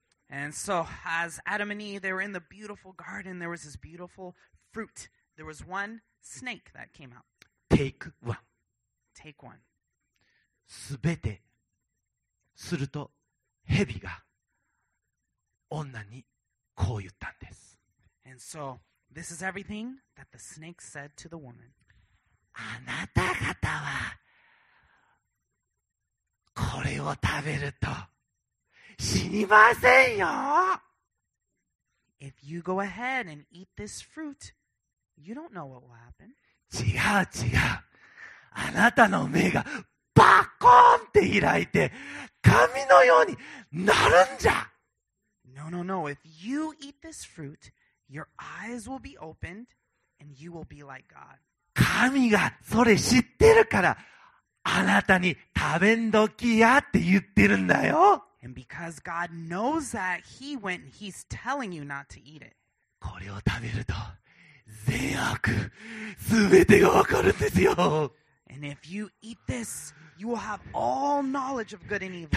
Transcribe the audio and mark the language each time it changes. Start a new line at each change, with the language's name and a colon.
English: And so, as Adam and Eve, they were in the beautiful garden, there was this beautiful fruit. There was one snake that came out. Take one. Take one.
Japanese: すべてすると、蛇が女にこう言ったんです。
English: And so, this is everything that the snake said to the woman.
Japanese: あなた方はこれを食べると死にませんよ。
English: If you go ahead and eat this fruit, you don't know what will happen.
Japanese: 違う違う。あなたの目がバコーンって開いて神のようになるんじゃ。
English: No, no, no. If you eat this fruit, your eyes will be opened and you will be like God.
Japanese: 神がそれ知ってるからあなたに食べんどきやって言ってるんだよ。
English: And because God knows that, he went and he's telling you not to eat it.
Japanese: これを食べると善悪全てが分かるんですよ。
English: And if you eat this, you will have all knowledge of good and evil.